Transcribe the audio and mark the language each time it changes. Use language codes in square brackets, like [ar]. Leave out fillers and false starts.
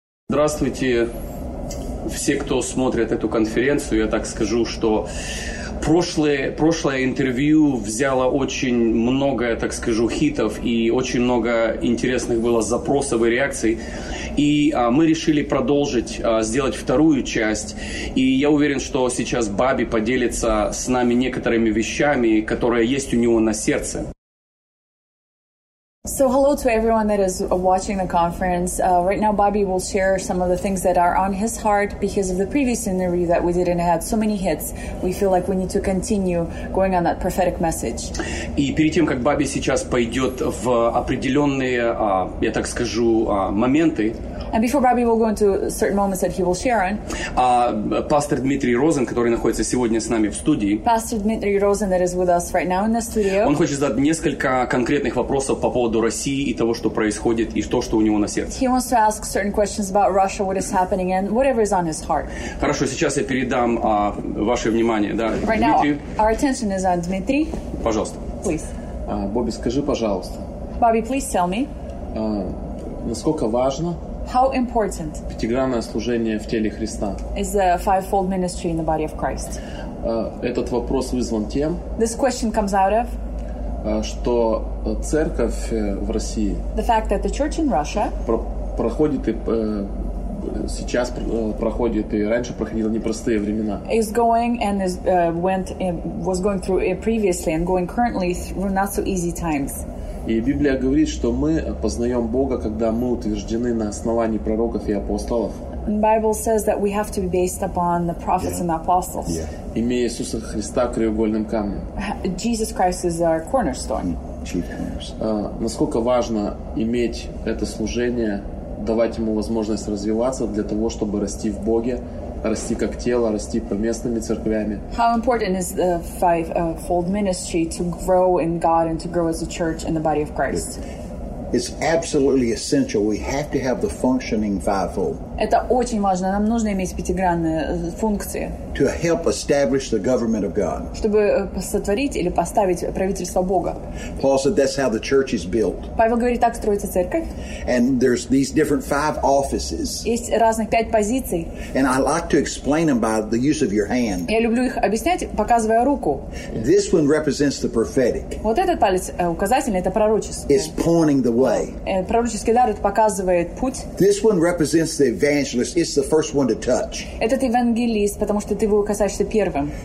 [ru] Здравствуйте, все, кто смотрит эту конференцию. Я так скажу, что прошлое интервью взяло очень много, так скажу, хитов и очень много интересных было запросов и реакций. И мы решили продолжить, сделать вторую часть. И я уверен, что сейчас Баби поделится с нами некоторыми вещами, которые есть у него на сердце. [en] So hello to everyone that is watching the conference. Right now, Bobby will share some of the things that are on his heart because of the previous interview that we did and it had so many hits. We feel like we need to continue going on that prophetic message. [ru] И перед тем, как Бобби сейчас пойдет в определенные, я так скажу, моменты, [en] And before Bobby will go into certain moments that he will share on, [ru] Pastor Дмитрий Розен, который находится сегодня с нами в студии, [en] Pastor Дмитрий Розен, that is with us right now in the studio, [ru] он хочет задать несколько конкретных вопросов по поводу России и того, что происходит, и то, что у него на сердце. [en] He wants to ask certain questions about Russia, what is happening, and whatever is on his heart. [ru] Хорошо, сейчас я передам ваше внимание, да, [en] right [ru] Дмитрию. [en] Now, our attention is on Дмитрий. [ru] Пожалуйста. [en] Please. [ru] Бобби, скажи, пожалуйста. [en] Bobby, please tell me. [ru] Насколько важно... [en] How important [ru] пятигранное служение в теле Христа? [en] Is a fivefold ministry in the body of Christ? [ru] Этот вопрос вызван тем, [en] This question comes out of, [ru] что церковь в России [en] the fact that the church in Russia [ru] проходит и сейчас проходит и раньше проходила непростые времена. [en] Is going and is, went in, was going through it previously and going currently through not so easy times. [ru] И Библия говорит, что мы познаем Бога, когда мы утверждены на основании пророков и апостолов. [en] Bible says that we have to be based upon the prophets yeah. and the apostles. Yeah. [ru] Имея Иисуса Христа краеугольным камнем. [en] Jesus Christ is our cornerstone. [ru] Насколько важно иметь это служение, давать ему возможность развиваться для того, чтобы расти в Боге, расти как тело, расти по местными церквями. [en] How important is the fivefold ministry to grow in God and to grow as a church in the body of Christ? It's absolutely essential. We have to have the functioning fivefold. [ru] Это очень важно. Нам нужно иметь пятигранные функции. [en] To help establish the government of God. [ru] Чтобы сотворить или поставить правительство Бога. [en] Paul said that's how the church is built. [ru] Павел говорит, так строится церковь. [en] And there's these different five offices. [ru] Есть разных пять позиций. [en] And I like to explain them by the use of your hand. [ru] Я люблю их объяснять, показывая руку. [en] This one represents the prophetic. [ru] Вот этот палец указательный, это пророческий. [en] It's pointing the way. [ru] Пророческий дар показывает путь. [en] This one represents the evangelist. It's the first one to touch. [ru] Этот евангелист, потому что ты его касаешься первым.